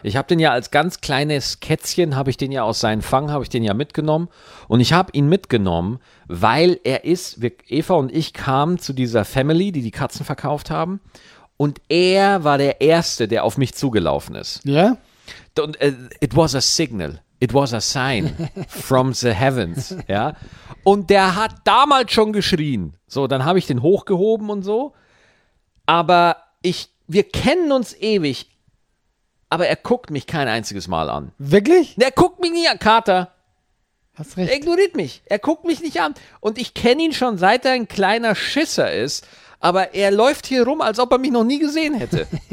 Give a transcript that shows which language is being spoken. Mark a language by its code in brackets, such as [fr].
[de] Ich habe den ja als ganz kleines Kätzchen, habe ich den ja aus seinen Fang, habe ich den ja mitgenommen. Und ich habe ihn mitgenommen, weil Eva und ich kamen zu dieser Family, die die Katzen verkauft haben. Und er war der Erste, der auf mich zugelaufen ist. Ja. [en] It was a signal, it was a sign from the heavens, ja. [de] Und der hat damals schon geschrien. So, dann habe ich den hochgehoben und so. Aber wir kennen uns ewig, aber er guckt mich kein einziges Mal an. Wirklich? Er guckt mich nie an, Kater. Hast recht. Er ignoriert mich, er guckt mich nicht an. Und ich kenne ihn schon, seit er ein kleiner Schisser ist, aber er läuft hier rum, als ob er mich noch nie gesehen hätte.